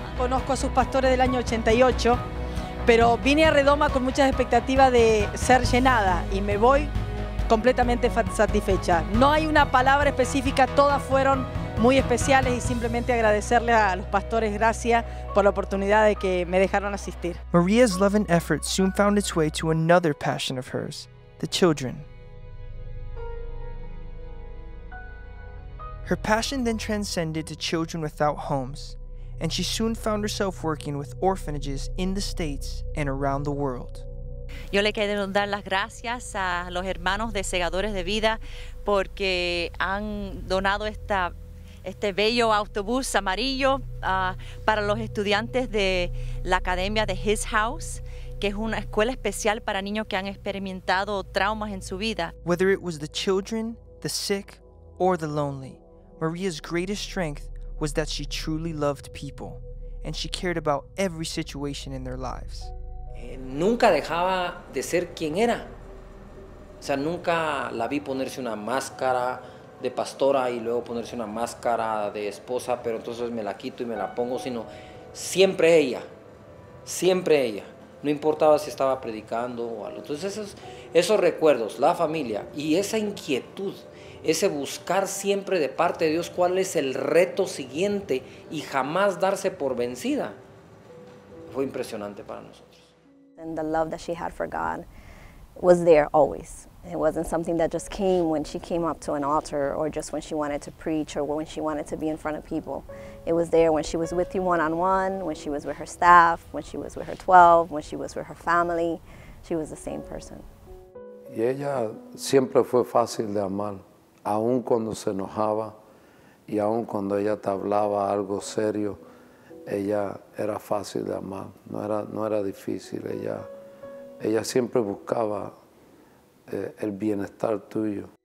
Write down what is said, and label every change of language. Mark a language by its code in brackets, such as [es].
[es] Conozco a sus pastores del año 88, pero vine a Redoma con muchas expectativas de ser llenada y me voy completamente satisfecha. No hay una palabra específica, todas fueron muy especiales y simplemente agradecerle a los pastores gracias por la oportunidad de que me dejaron asistir. [en] Maria's love and effort soon found its way to another passion of hers, the children. Her passion then transcended to children without homes, and she soon found herself working with orphanages in the States and around the world. [es] Yo le quiero dar las gracias a los hermanos de Segadores de Vida porque han donado este bello autobús amarillo para los estudiantes de la Academia de His House, que es una escuela especial para niños que han experimentado traumas en su vida. [en] Whether it was the children, the sick, or the lonely, Maria's greatest strength was that she truly loved people, and she cared about every situation in their lives. [es] Nunca dejaba de ser quien era. O sea, nunca la vi ponerse una máscara de pastora y luego ponerse una máscara de esposa, pero entonces me la quito y me la pongo, sino siempre ella, siempre ella. No importaba si estaba predicando o algo. Entonces esos recuerdos, la familia y esa inquietud, ese buscar siempre de parte de Dios cuál es el reto siguiente y jamás darse por vencida, fue impresionante para nosotros. [en] And the love that she had for God was there always. It wasn't something that just came when she came up to an altar or just when she wanted to preach or when she wanted to be in front of people. It was there when she was with you one-on-one, when she was with her staff, when she was with her 12, when she was with her family. She was the same person. [es] Y ella siempre fue fácil de amar, aun cuando se enojaba y aun cuando ella te hablaba algo serio, ella era fácil de amar, no era difícil. Ella siempre buscaba el bienestar tuyo.